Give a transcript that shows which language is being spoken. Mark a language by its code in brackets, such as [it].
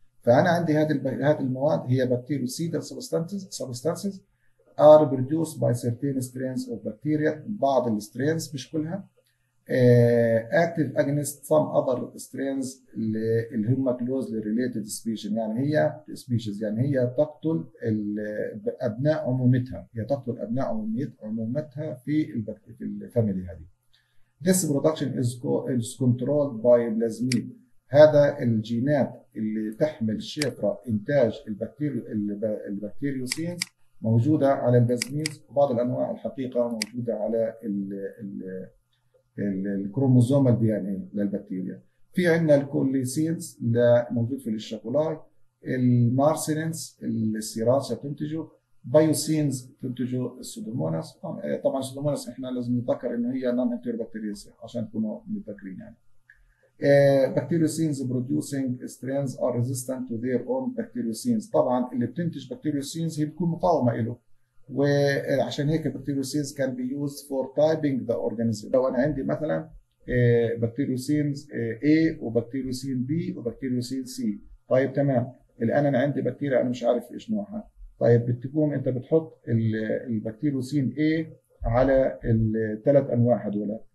[ar] فانا عندي هذه المواد هي [en] bactericidal substances are produced by certain strains of bacteria, [ar] بعض السترينز مش كلها [en] Active against some other strains اللي هم closely related species. [ar] يعني هي سبيشيز يعني هي تقتل ابناء عمومتها، هي تقتل ابناء عمومتها في الفاميلي هذه. [en] This production is controlled by plasmid. [ar] هذا الجينات اللي تحمل شفرة إنتاج البكتيريوسينز موجودة على البلازميد، وبعض الأنواع الحقيقة موجودة على الكروموزوم الـ DNA للبكتيريا. في عندنا الكوليسينز موجود في الشوكولاي، المارسينينز السيراسة تنتجه، بيوسينز تنتجه السودوموناس. طبعا السودوموناس احنا لازم نتذكر انه هي نون انتيروبكتيريسي عشان تكونوا متذكرين. يعني [en] Bacteriocins producing strains are resistant to their own bacteriocins. [ar] طبعا اللي بتنتج بكتيريوسينز هي بتكون مقاومة له، وعشان هيك بكتيريوسينز [en] can be used for typing the organism. [ar] لو انا عندي مثلا بكتيريوسينز A وبكتيريوسين B وبكتيريوسين C، طيب تمام الان انا عندي بكتيريا انا مش عارف ايش نوعها، طيب بتقوم انت بتحط البكتيريوسين A على الثلاث انواع هذول،